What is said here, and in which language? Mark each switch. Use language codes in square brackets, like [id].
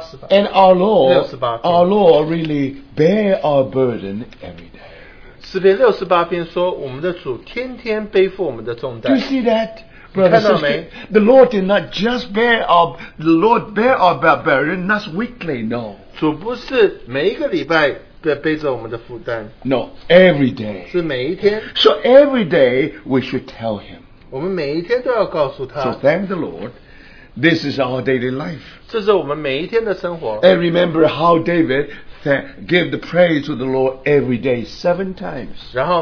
[en] And our Lord really bear our burden every day. [zh] 68篇说, [en] Do you see that? Brother, sister, the Lord did not just bear our, the Lord bear our burden, not weekly, no. [zh] 主不是每一个礼拜背着我们的负担, [en] no, every day. [zh] 是每一天, [en] so every day we should tell Him. [zh] 我们每一天都要告诉他, [en] so thank the Lord. This is our daily life. [zh] 这是我们每一天的生活, [en] and remember how David gave the praise to the Lord every day 7 times.